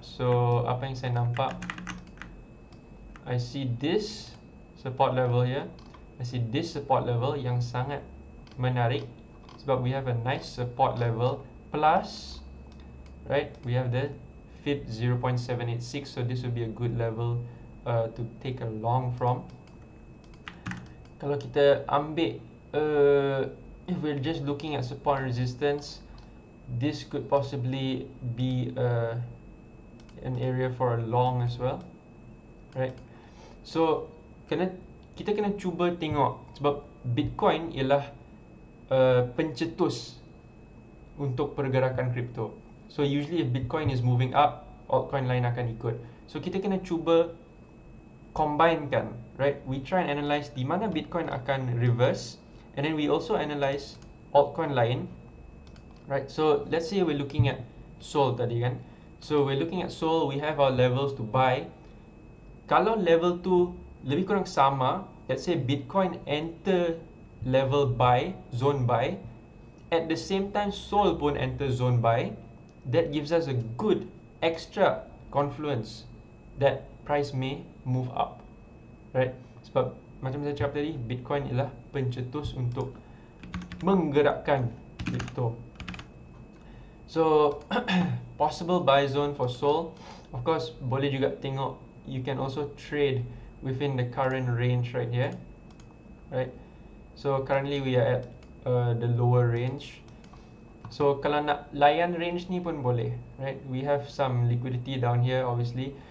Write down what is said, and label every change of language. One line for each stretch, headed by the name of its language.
English: So
Malay: apa yang saya nampak,
English: I see this support level here, I see this support level
Malay: yang sangat menarik sebab
English: we have a nice support level plus, right, we have the fib 0.786, so this would be a good level to take a long from.
Malay: Kalau kita ambil,
English: if we're just looking at support and resistance, this could possibly be an area for a long as well, right?
Malay: So kita kena cuba tengok sebab Bitcoin ialah pencetus untuk pergerakan crypto.
English: So usually if Bitcoin is moving up,
Malay: altcoin lain akan ikut. So kita kena cuba combinekan, right?
English: We try and analyze
Malay: di mana Bitcoin akan reverse,
English: and then we also analyze altcoin lain, right? So let's say we're looking at Sol
Malay: tadi kan.
English: So we're looking at Sol, we have our levels to buy.
Malay: Kalau level tu lebih kurang sama,
English: let's say Bitcoin enter level buy, zone buy, at the same time Sol pun enter zone buy, that gives us a good extra confluence that price may move up, right?
Malay: Sebab macam saya cakap tadi, Bitcoin ialah pencetus untuk menggerakkan crypto.
English: So possible buy zone for Sol. Of course,
Malay: boleh juga tengok,
English: you can also trade within the current range right here, right? So currently we are at the lower range. So
Malay: kalau nak layan range ni pun boleh,
English: right? We have some liquidity down here obviously.